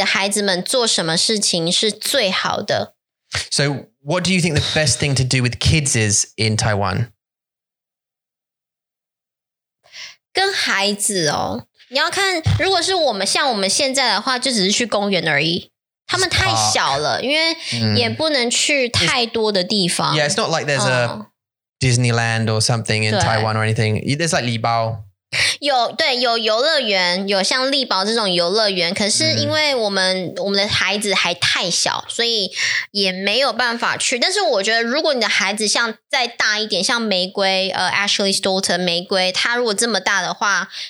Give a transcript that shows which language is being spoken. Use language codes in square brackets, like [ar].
[zh] 你觉得在台湾做什么，跟你的孩子们做什么事情是最好的？ [en] So what do you think the best thing to do with kids is in Taiwan? [zh] 跟孩子哦。你要看，如果是我们，像我们现在的话，就只是去公园而已。他们太小了，因为也不能去太多的地方。 [en] Yeah, it's not like there's a Disneyland or something in Taiwan or anything. There's like [zh] 力包。有对有游乐园，有像力包这种游乐园，可是因为我们的孩子还太小，所以也没有办法去。但是我觉得，如果你的孩子像再大一点，像玫瑰 [en] Ashley's daughter [zh] 玫瑰，她如果这么大的话。